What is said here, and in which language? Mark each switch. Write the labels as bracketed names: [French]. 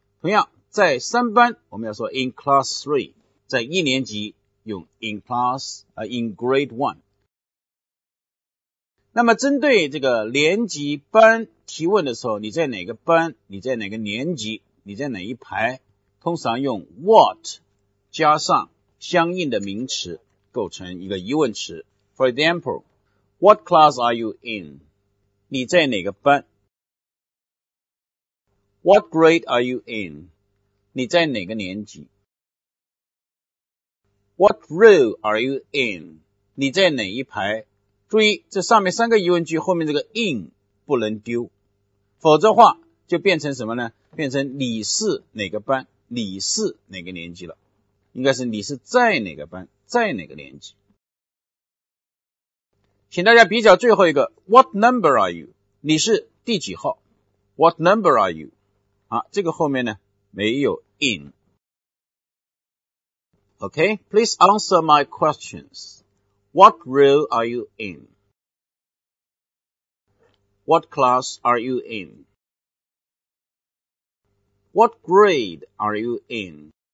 [Chinese] 同样，在三班我们要说 [English] in class 3, [Chinese] 在一年级用 [English] in class, in grade 1. [Chinese] 那么针对这个年级班提问的时候，你在哪个班，你在哪个年级，你在哪一排，通常用 what 加上相应的名词构成一个疑问词。 [English] For example, what class are you in? [Chinese] 你在哪个班？ [English] What grade are you in? [Chinese] 你在哪个年级？ [English] What row are you in? [Chinese] 你在哪一排？注意，这上面三个疑问句后面这个 in 不能丢，否则话就变成什么呢？变成你是哪个班，你是哪个年级了？应该是你是在哪个班，在哪个年级？请大家比较最后一个 [English] What number are you? [Chinese] 你是第几号？ [English] What number are you? [Chinese] 啊，这个后面呢没有 in。 [English] Okay, please answer my questions. What row are you in? What class are you in? What grade are you in?